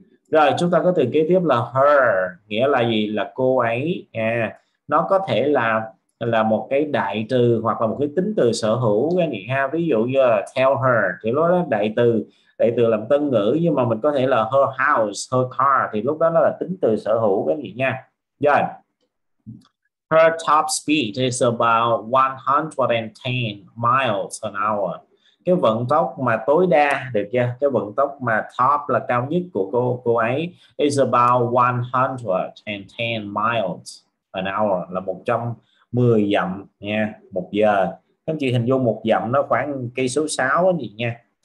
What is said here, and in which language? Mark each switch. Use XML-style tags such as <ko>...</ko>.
<vi>Rồi chúng ta có từ kế tiếp là her. Nghĩa là gì? Là cô ấy. Nha. Nó có thể là một cái đại từ hoặc là một cái tính từ sở hữu cái gì ha, ví dụ như là tell her thì lúc đó đại từ làm tân ngữ, nhưng mà mình có thể là her house, her car thì lúc đó nó là tính từ sở hữu cái gì nha. Yeah.</vi> <en>Her top speed is about 110 miles an hour.</en> <vi>Cái vận tốc mà tối đa, được chưa? Cái vận tốc mà top là cao nhất của cô ấy</vi> <en>is about 110 miles an hour</en> <vi>là 110 dặm nha, 1 giờ. Các anh chị hình dung 1 dặm nó khoảng cây số 6 gì nha.</vi>